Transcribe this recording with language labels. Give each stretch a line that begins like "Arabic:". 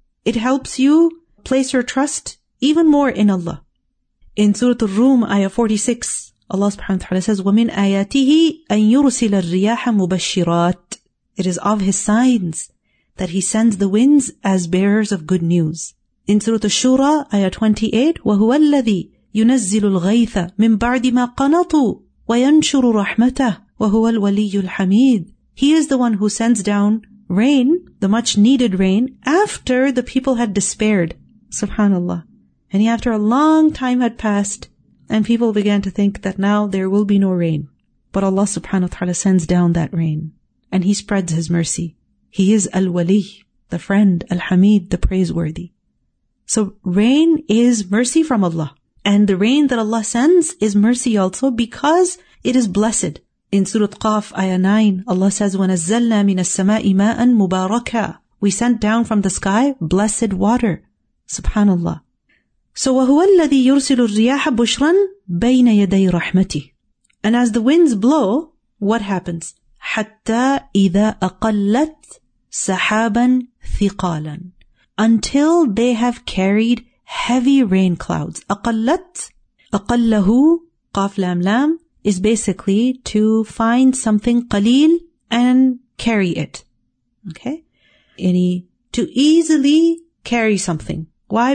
English: It helps you place your trust even more in Allah. In Surah Ar-Rum, ayah 46, Allah subhanahu wa ta'ala says,
Arabic: وَمِنْ آيَاتِهِ أَنْ يُرْسِلَ الرِّيَاحَ مُبَشِّرَاتٍ.
English: It is of his signs that he sends the winds as bearers of good news. In Surah Ash-Shura, ayah 28,
Arabic: وَهُوَ الَّذِي يُنَزِّلُ الْغَيْثَ مِنْ بَعْدِ مَا قَنَطُوا وَيَنْشُرُ رَحْمَتَهُ وَهُوَ الْوَلِيُّ الْحَمِيدُ.
English: He is the one who sends down rain, the much needed rain, after the people had despaired. SubhanAllah. And after a long time had passed, and people began to think that now there will be no rain. But Allah subhanahu wa ta'ala sends down that rain. And He spreads His mercy. He is al-wali, the friend, al-hamid, the praiseworthy. So rain is mercy from Allah. And the rain that Allah sends is mercy also because it is blessed. In Surah Qaf, Ayah 9, Allah says,
Arabic: وَنَزَّلْنَا مِنَ السَّمَاءِ مَاءً مُبَارَكًا.
English: We sent down from the sky blessed water.
Arabic: Subhanallah. So وَهُوَ الَّذِي يُرْسِلُ الرِّيَاحَ بُشْرًا بَيْنَ يَدَيْ رَحْمَتِهِ.
English: And as the winds blow, what happens?
Arabic: حَتَّى إِذَا أَقَلَّتْ سَحَابًا ثِقَالًا.
English: Until they have carried heavy rain clouds.
Arabic: أَقَلَّتْ أَقَلَّهُ قَافْ لَمْ لَمْ
English: is basically to find something قليل and carry it. Okay? Any to easily carry something. Why?